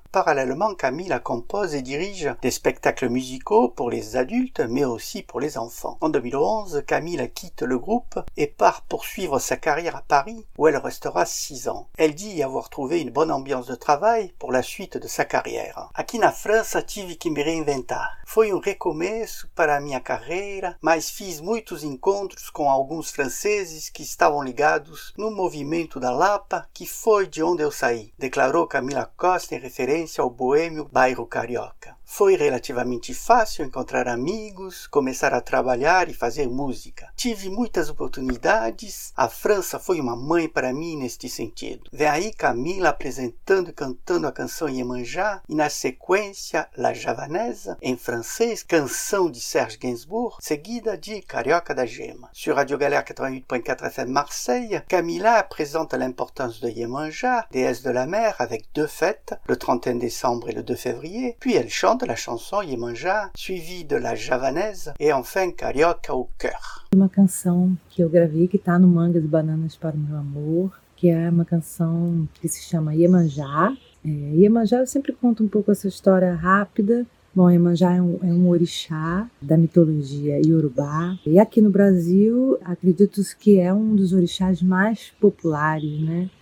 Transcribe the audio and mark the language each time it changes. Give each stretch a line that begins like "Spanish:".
French: Parallèlement, Camila compose et dirige des spectacles musicaux pour les adultes, mais aussi pour les enfants. En 2011, Camila quitte le groupe et part poursuivre sa carrière à Paris, où elle restera 6 ans. Elle dit y avoir trouvé une bonne ambiance de travail pour la suite de sa carrière.
Portuguese: Aqui na França tive que me reinventar. Foi recomeço para minha carreira, mas fiz muitos encontros com alguns franceses que estavam ligados no movimento da Lapa, que foi de onde eu saí, declarou Camila Costa em referência ao boêmio bairro carioca. Foi relativamente fácil encontrar amigos, começar a trabalhar e fazer música. Tive muitas oportunidades, a França foi uma mãe para mim neste sentido. Vem aí Camila apresentando e cantando a canção Iemanjá e na sequência La Javanese, em francês, canção de Serge Gainsbourg, seguida de Carioca da Gema.
French: Sur Radio Galère 88.4 FM Marseille, Camila apresenta l'importance de Iemanjá, déesse de la mer, avec deux fêtes, le 31 décembre et le 2 février, puis elle chante de la chanson Iemanjá, suivie de la javanaise et enfin Carioca au cœur.
Portuguese: Uma canção que eu gravei que tá no Mangas e Bananas para o Meu Amor, que é uma canção que se chama Iemanjá. Iemanjá, eu sempre conto um pouco essa história rápida. Bom, Iemanjá é um orixá da mitologia iorubá. E aqui no Brasil, acredito que é um dos orixás mais populares, né?